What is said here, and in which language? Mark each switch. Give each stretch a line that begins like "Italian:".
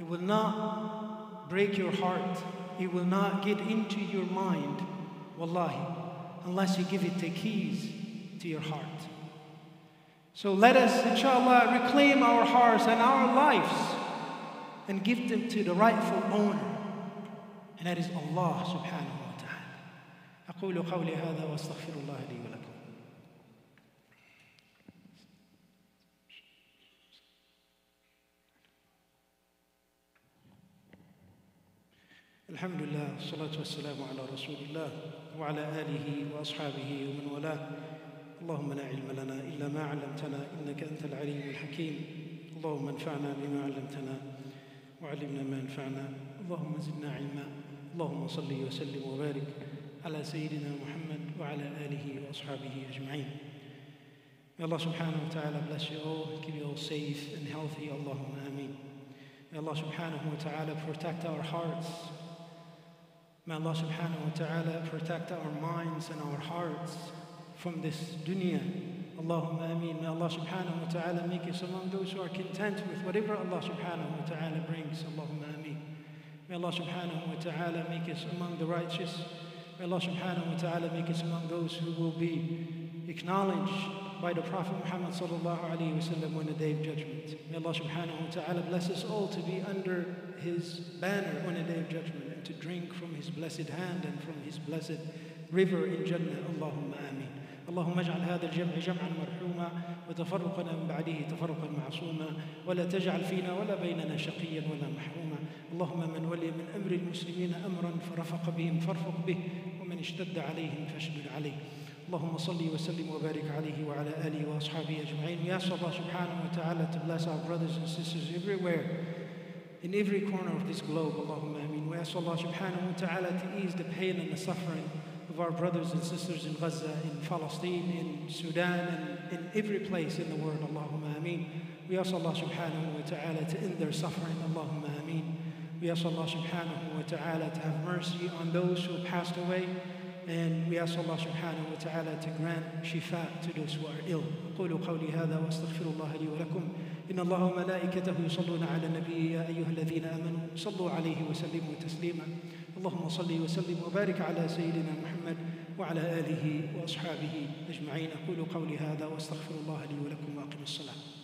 English: It will not break your heart. It will not get into your mind, wallahi, unless you give it the keys to your heart. So let us, inshallah, reclaim our hearts and our lives and give them to the rightful owner, and that is Allah subhanahu wa ta'ala.
Arabic: أقول قولي هذا واستغفر الله لي ولكم. الحمد لله والصلاة والسلام على رسول الله وعلى آله وأصحابه ومن والاه. اللهم لا علم لنا إلا ما علمتنا إنك أنت العليم الحكيم. اللهم انفعنا بما علمتنا وعلمنا ما انفعنا. اللهم زدنا علما. اللهم صلي وسلم وبارك على سيدنا محمد وعلى آله وأصحابه أجمعين. ما
English: May Allah subhanahu wa ta'ala bless you all and keep you all safe and healthy. Allahumma ameen. May Allah subhanahu wa ta'ala protect our hearts. May Allah subhanahu wa ta'ala protect our minds and our hearts from this dunya. Allahumma ameen. May Allah subhanahu wa ta'ala make us among those who are content with whatever Allah subhanahu wa ta'ala brings. Allahumma ameen. May Allah subhanahu wa ta'ala make us among the righteous. May Allah subhanahu wa ta'ala make us among those who will be acknowledged by the Prophet Muhammad sallallahu alayhi wa sallam on the Day of Judgment. May Allah subhanahu wa ta'ala bless us all to be under his banner on the Day of Judgment and to drink from his blessed hand and from his blessed river in Jannah. Allahumma ameen.
Arabic: اللهم اجعل هذا الجمع جمعا مرحوما وتفرقنا من بعده تفرقا معصوما ولا تجعل فينا ولا بيننا شقيا ولا محروما اللهم من ولي من أمر المسلمين أمرا فرفق بهم فارفق به ومن اشتد عليهم فاشدد عليه اللهم صلي وسلم وبارك عليه وعلى آله وأصحابه أجمعين يا الله سبحانه وتعالى
English: to bless our brothers and sisters everywhere in every corner of this globe
Arabic: اللهم أمين ويا الله سبحانه وتعالى
English: to ease the pain and the suffering of our brothers and sisters in Gaza, in Palestine, in Sudan, and in every place in the world, Allahumma ameen. We ask Allah subhanahu wa ta'ala to end their suffering, Allahumma ameen. We ask Allah subhanahu wa ta'ala to have mercy on those who passed away, and we ask Allah subhanahu wa ta'ala to grant shifa to those who are ill.
Arabic: قولوا قولي هذا واستغفروا الله لي ولكم إن الله وملائكته يصلون على النبي يا أيها الذين آمنوا صلوا عليه وسلموا تسليما اللهم صلي وسلم وبارك على سيدنا محمد وعلى آله وأصحابه أجمعين أقولوا قولي هذا واستغفر الله لي ولكم وأقم الصلاة